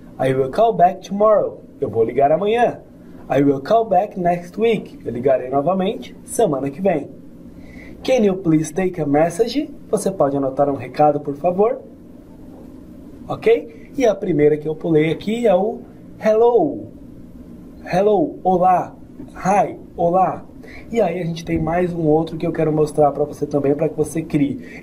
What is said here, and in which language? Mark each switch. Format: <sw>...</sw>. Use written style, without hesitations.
<en>I will call back tomorrow.</en> <pt>Eu vou ligar amanhã.</pt> <en>I will call back next week.</en> <pt>Eu ligarei novamente semana que vem.</pt> <en>Can you please take a message?</en> <pt>Você pode anotar um recado, por favor? Ok? E a primeira que eu pulei aqui é o hello. Hello, olá. Hi, olá. E aí a gente tem mais um outro que eu quero mostrar para você também, para que você crie.</pt>